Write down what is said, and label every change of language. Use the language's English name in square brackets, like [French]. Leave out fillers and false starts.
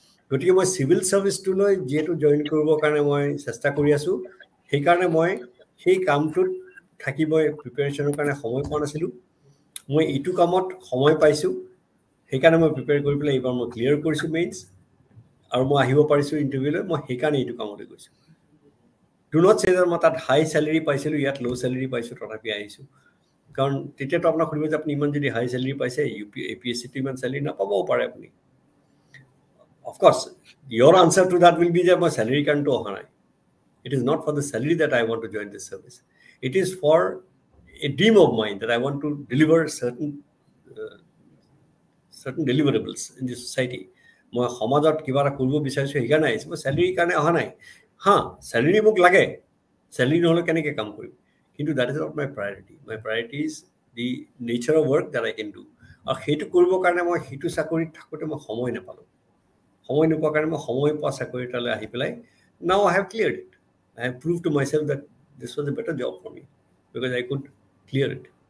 [Assamese] গতিকে মই চিভিল ছাৰ্ভিচটোলৈ যিহেতু জইন কৰিবৰ কাৰণে মই চেষ্টা কৰি আছোঁ, সেইকাৰণে মই সেই কামটোত থাকি মই প্ৰিপেৰেশ্যনৰ কাৰণে সময় পোৱা নাছিলোঁ, মই ইটো কামত সময় পাইছোঁ, সেইকাৰণে মই প্ৰিপেয়াৰ কৰি পেলাই এইবাৰ মই ক্লিয়াৰ কৰিছোঁ মেইনছ আৰু মই আহিব পাৰিছোঁ ইণ্টাৰভিউলৈ, মই সেইকাৰণে এইটো কামলৈ গৈছোঁ। ডু নট চে যে মই তাত হাই চেলাৰি পাইছিলোঁ, ইয়াত ল' চেলাৰি পাইছোঁ তথাপি আহিছোঁ, কাৰণ তেতিয়াতো আপোনাক সুধিব যে আপুনি ইমান যদি হাই চেলাৰি পাইছে U P A P S চিটো ইমান চেলাৰি নাপাবও পাৰে আপুনি। [English] of course your answer to that will be [Assamese] যে মানে স্যালারি কারণ তো অহা নাই, [English] It is not for the salary that I want to join this service, it is for a dream of mind that I want to deliver certain certain deliverables in the society. [Assamese] মই সমাজত কিবা এটা কৰিব বিচাৰিছো Higa নাই মই salary কাৰণে অহা নাই হ্যাঁ স্যালারি মোক লাগে স্যালারি নহ'লে কেনেকৈ কাম কৰিম কিন্তু [English] that is not my priority my priority is the nature of work that I can do [Assamese] আৰু সেইটো কৰিবৰ কাৰণে মই সেইটো চাকৰিত থাকোঁতে মই সময় নাপালোঁ সময় নোপোৱাৰ কাৰণে মই সময় পোৱা চাকৰি এটালৈ আহি পেলাই [English] now I have clear it [Assamese] I have prove to my self that this was a better job for me because I could clear it